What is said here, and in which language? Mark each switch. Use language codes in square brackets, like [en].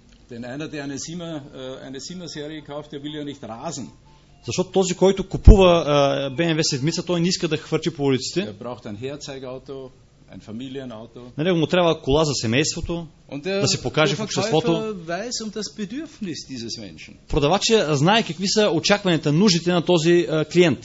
[de] Denn einer, der eine Siemer Serie kauft, der will ja nicht rasen. [bg] Защото този, който купува BMW 7, той не иска да хвърчи по улиците. [de] Er braucht ein Herzeigauto, ein Familienauto. [bg] На него му трябва кола за семейството, да се покаже в обществото. [de] Weiß um das Bedürfnis dieses Menschen. [bg] Продавача знае какви са очакванията, нуждите на този клиент.